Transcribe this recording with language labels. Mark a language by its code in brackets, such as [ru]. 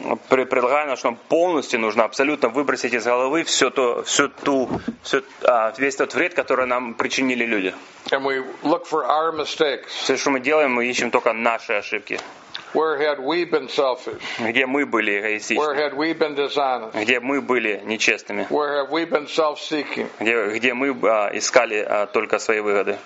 [ru] Предлагаю нам, что полностью нужно абсолютно выбросить из головы весь тот вред, который нам причинили люди. [en] And we look for our mistakes. [ru] Все, что мы делаем, мы ищем только наши ошибки. [en] Where had we been selfish? [ru] Где мы были эгоистичны? [en] Where had we been dishonest? [ru] Где мы были нечестными? [en] Where have we been self-seeking? [ru] Где мы искали только свои выгоды?